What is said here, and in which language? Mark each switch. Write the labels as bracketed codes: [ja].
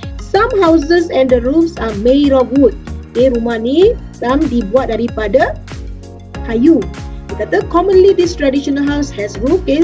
[en] Some houses and the roofs are made of wood. [ms] Okay, rumah ni [en] some [ms] dibuat daripada kayu. Dia kata [en] commonly this traditional house has roof, okay?